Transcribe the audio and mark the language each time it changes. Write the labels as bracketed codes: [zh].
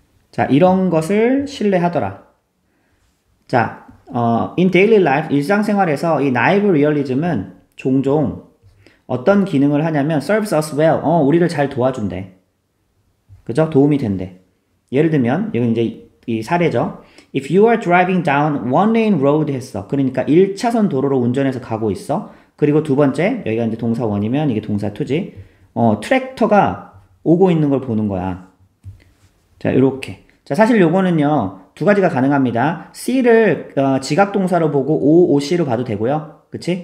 [ko] 자, 이런 것을 신뢰하더라. 자, [en] in daily life, [ko] 일상생활에서 이 naive realism은 종종 어떤 기능을 하냐면, [en] serves us well. [ko] 우리를 잘 도와준대. 그죠? 도움이 된대. 예를 들면, 이건 이제 이 사례죠. [en] If you are driving down one lane road [ko] 했어. 그러니까 1차선 도로로 운전해서 가고 있어. 그리고 두 번째, 여기가 이제 동사원이면 이게 동사투지. 트랙터가 오고 있는 걸 보는 거야. 자, 요렇게. 자, 사실 요거는요, 두 가지가 가능합니다. C를 지각동사로 보고 O, OC로 봐도 되고요. 그치?